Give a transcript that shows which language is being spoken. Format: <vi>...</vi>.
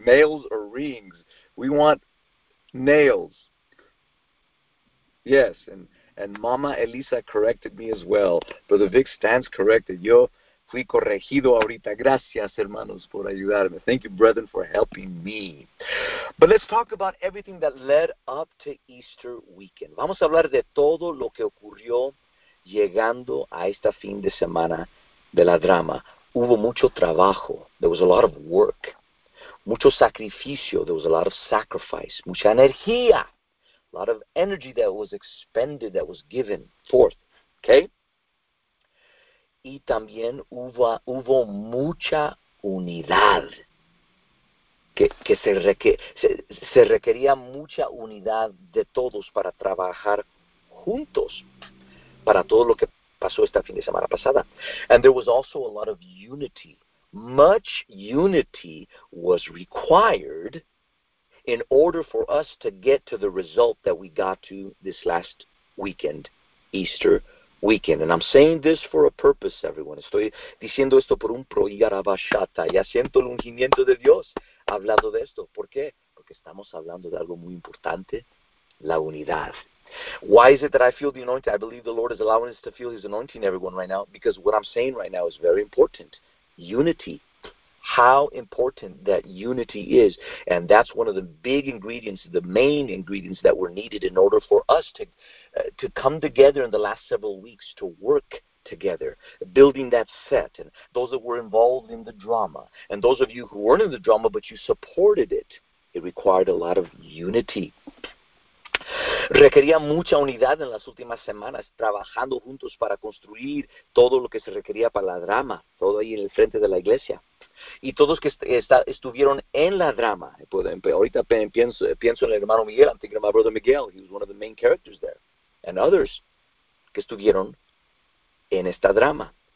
<en>Nails or rings. We want nails. Yes, And Mama Elisa corrected me as well. Brother Vic stands corrected.</en> <es>Yo fui corregido ahorita. Gracias, hermanos, por ayudarme.</es> <en>Thank you, brethren, for helping me. But let's talk about everything that led up to Easter weekend.</en> <es>Vamos a hablar de todo lo que ocurrió llegando a esta fin de semana de la drama. Hubo mucho trabajo.</es> <en>There was a lot of work.</en> <es>Mucho sacrificio.</es> <en>There was a lot of sacrifice.</en> <es>Mucha energía.</es> <en>A lot of energy that was expended, that was given forth.</en> <es>Okay? Y también hubo mucha unidad. Que se requería mucha unidad de todos para trabajar juntos. Para todo lo que pasó esta fin de semana pasada.</es> <en>And there was also a lot of unity. Much unity was required in order for us to get to the result that we got to this last weekend, Easter weekend. And I'm saying this for a purpose, everyone.</en> <es>Estoy diciendo esto por un proyarabashata. Ya siento el ungimiento de Dios hablando de esto. ¿Por qué? Porque estamos hablando de algo muy importante, la unidad.</es> <en>Why is it that I feel the anointing? I believe the Lord is allowing us to feel His anointing, everyone, right now. Because what I'm saying right now is very important. Unity. How important that unity is. And that's one of the big ingredients, the main ingredients that were needed in order for us to come together in the last several weeks to work together, building that set. And those that were involved in the drama, and those of you who weren't in the drama but you supported it, it required a lot of unity.</en> <es>Requería mucha unidad en las últimas semanas, trabajando juntos para construir todo lo que se requería para la drama, todo ahí en el frente de la iglesia. Y todos que estuvieron en la drama, ahorita pienso en el hermano Miguel,</es> <en>I'm thinking of my brother Miguel,</en> <es>he was one of the main characters there, and others que estuvieron en esta drama.</es>